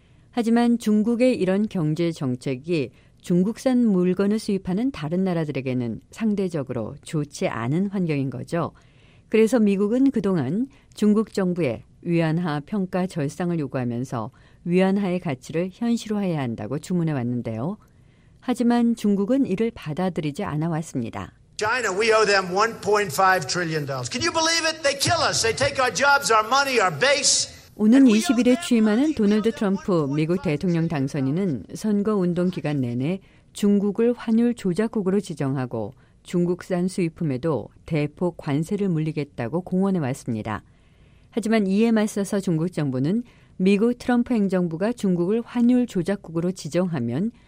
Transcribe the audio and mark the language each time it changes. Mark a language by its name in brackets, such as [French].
[Korean] 하지만 중국의 이런 경제 정책이 중국산 물건을 수입하는 다른 나라들에게는 상대적으로 좋지 않은 환경인 거죠. 그래서 미국은 그동안 중국 정부에 위안화 평가 절상을 요구하면서 위안화의 가치를 현실화해야 한다고 주문해 왔는데요. 하지만 중국은 이를 받아들이지 않아 왔습니다. [English] China, we owe them $1.5 trillion. Can you believe it? They kill us. They take our jobs, our money, our base. [Korean] 오는 20일에 취임하는 도널드 트럼프 미국 대통령 당선인은 선거 운동 기간 내내 중국을 환율 조작국으로 지정하고 중국산 수입품에도 대폭 관세를 물리겠다고 공언해왔습니다. 하지만 이에 맞서서 중국 정부는 미국 트럼프 행정부가 중국을 환율 조작국으로 지정하면